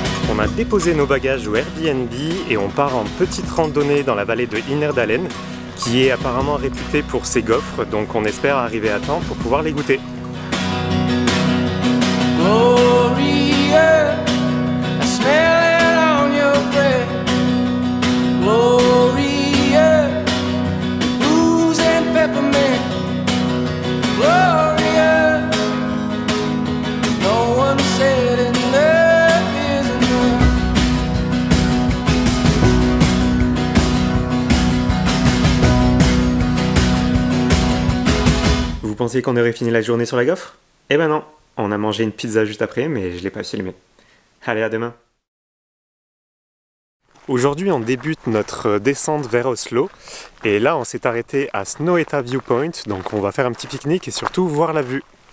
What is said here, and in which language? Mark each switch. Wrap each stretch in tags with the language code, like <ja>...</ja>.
<fr>On a déposé nos bagages au Airbnb et on part en petite randonnée dans la vallée de Innerdalen, qui est apparemment réputée pour ses gaufres, donc on espère arriver à temps pour pouvoir les goûter.</fr> <en>Gloria, I smell it on your breath. Gloria, booze and peppermint. Gloria, no one said enough is enough.</en> <fr>Vous pensiez qu'on aurait fini la journée sur la gaufre? Eh ben non! On a mangé une pizza juste après, mais je ne l'ai pas filmé. Allez, à demain. Aujourd'hui, on débute notre descente vers Oslo. Et là, on s'est arrêté à Snøhetta Viewpoint. Donc, on va faire un petit pique-nique et surtout voir la vue.</fr>